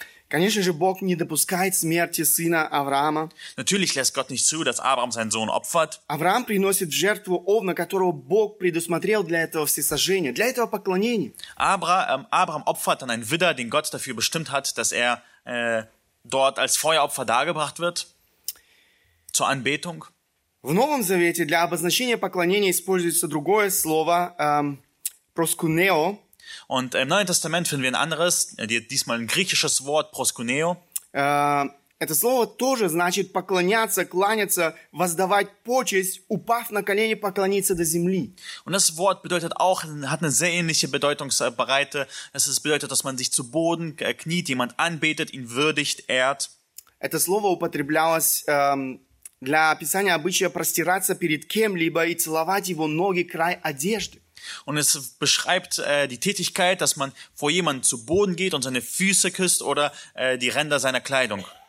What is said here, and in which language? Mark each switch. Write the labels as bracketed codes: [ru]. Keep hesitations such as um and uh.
[ru] Конечно же, Бог не допускает смерти сына Авраама. [de] Natürlich lässt Gott nicht zu, dass Abraham seinen Sohn opfert. [ru] Авраам приносит жертву овна, которого Бог предусмотрел для этого всесожжения, для этого поклонения. [de] Абра, Abra, ähm, Абрам opfert an einen Widder, den Gott dafür bestimmt hat, dass er äh, dort als Feueropfer dargebracht wird, zur Anbetung. [ru] В Новом Завете для обозначения поклонения используется другое слово, ähm, proskuneo, [de] Und im Neuen Testament finden wir ein anderes, diesmal ein griechisches Wort, proskuneo. [ru] Это слово тоже значит поклоняться, кланяться, воздавать почесть, упав на колени, поклониться до земли. [de] Und das Wort bedeutet auch, hat eine sehr ähnliche Bedeutungsbreite. Es das bedeutet, dass man sich zu Boden kniet, jemand anbetet, ihn würdigt, ehrt. [ru] Это слово употреблялось ähm, для описания обычая простираться перед кем-либо и целовать его ноги, край одежды. [de] Und es beschreibt äh, die Tätigkeit, dass man vor jemandem zu Boden geht und seine Füße küsst oder äh, die Ränder seiner Kleidung.